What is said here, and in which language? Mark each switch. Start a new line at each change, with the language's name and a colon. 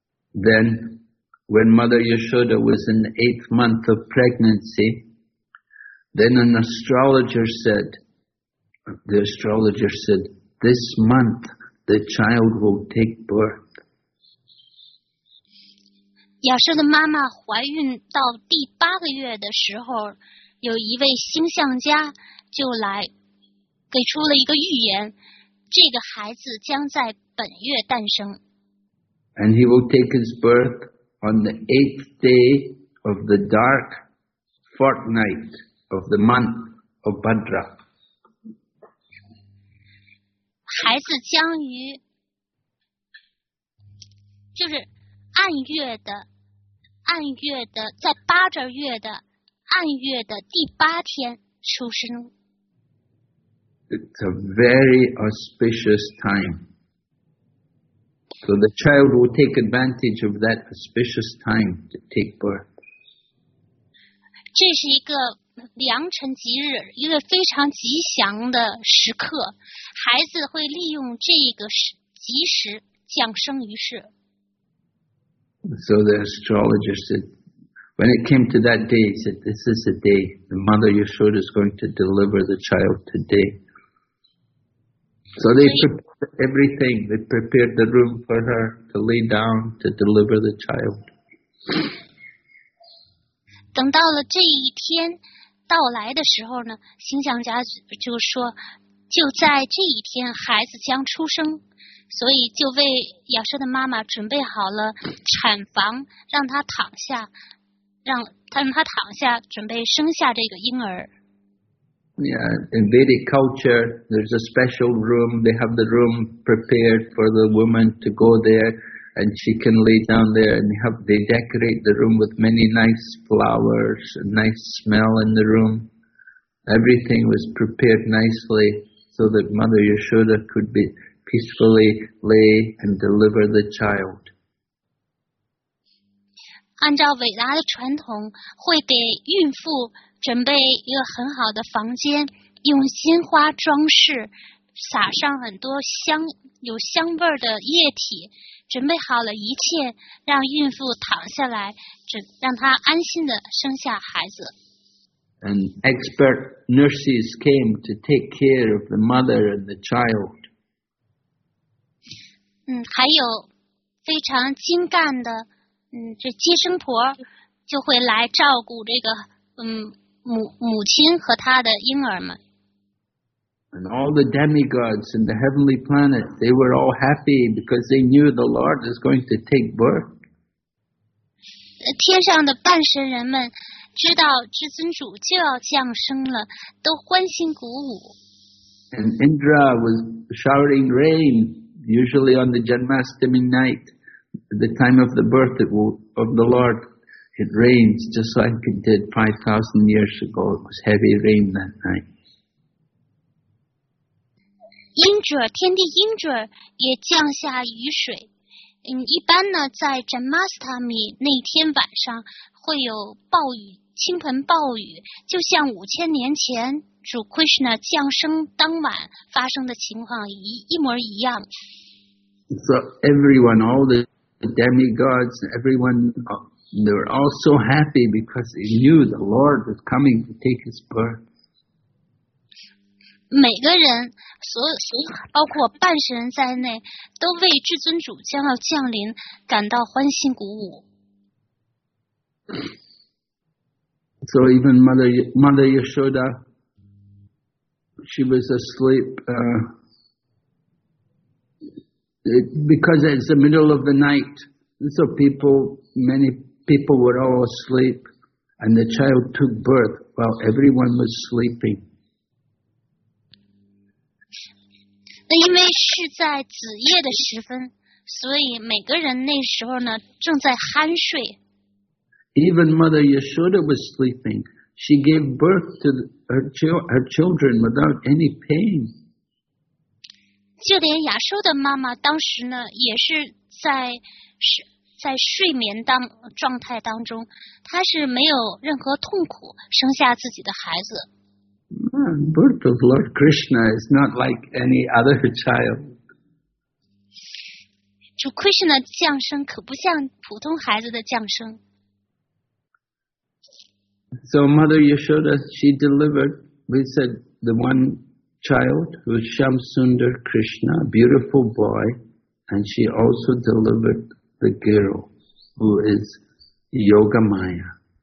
English: Then,When Mother Yashoda was in the eighth month of pregnancy, then an astrologer said, this month the child will take birth.
Chinese: 亚修达妈妈怀孕到第八个月的时候，有一位星象家就来给出了一个预言，这个孩子将在本月诞生。
English: And he will take his birth. On the eighth day of the dark fortnight of the month of Bhadra.
Chinese: 孩子将于就是暗月的在八折月的暗月的第八天出生。
English: It's a very auspicious time. So the child will take advantage of that auspicious time to take birth.
Chinese: 这是一个良辰吉日，一个非常吉祥的时刻。孩子会利用这个吉时降生于世。
English: So the astrologer said, when it came to that day, he said, this is the day. The mother Yashoda is going to deliver the child today. So they prepared everything. They prepared the room for her to lay down to deliver the child.
Chinese: 等到了这一天到来的时候呢，星象家就说，就在这一天孩子将出生，所以就为亚修达妈妈准备好了产房，让她躺下，准备生下这个婴儿。
English: Yeah, in Vedic culture, there's a special room. They have the room prepared for the woman to go there and she can lay down there and have, they decorate the room with many nice flowers, a nice smell in the room. Everything was prepared nicely so that Mother Yashoda could be peacefully lay and deliver the child.
Chinese: 按照伟大的传统，会给孕妇准备一个很好的房间，用鲜花装饰，撒上很多香，有香味的液体，准备好了一切，让孕妇躺下来，让她安心的生下孩子。
English: And expert nurses came to take care of the mother and the child.
Chinese: 还有非常精干的，这接生婆就会来照顾这个，母亲和她的婴儿们。
English: And all the demigods in the heavenly planet, they were all happy because they knew the Lord is going to take birth.
Chinese: 天上的半神人们知道至尊主就要降生了，都欢欣鼓舞。
English: And Indra was showering rain, usually on the Janmashtami night, at the time of the birth of the Lord. It rains just like it did 5,000 years ago. It was heavy rain that night.
Chinese: Indra, 天地 Indra 也降下雨水。一般呢，在 Janmashtami 那天晚上会有暴雨，倾盆暴雨，就像五千年前主 Krishna 降生当晚发生的情况一模一样。
English: So everyone, all the demigods, everyone, they were all so happy because they knew the Lord was coming to take his birth.
Chinese: 每个人，所有包括半神在内，都为至尊主将要降临感到欢欣鼓舞。
English: So even Mother Yashoda, she was asleep. Because it's the middle of the night, so many people were all asleep, and the child took birth while everyone was sleeping.
Chinese: 因为是在子夜的时分，所以每个人那时候呢正在酣睡。
English: Even Mother Yashoda was sleeping. She gave birth to her children without any pain.
Chinese: 就连亚修的妈妈当时呢也是在睡眠当状态当中，她是没有任何痛苦生下自己的孩子。
English: Birth of Lord Krishna is not like any other child.
Chinese: 主 Krishna 的降生可不像普通孩子的降生。
English: So Mother Yashoda, she delivered, we said, the one child who is Shamsundar Krishna, a beautiful boy, and she also delivered the girl who is Yogamaya.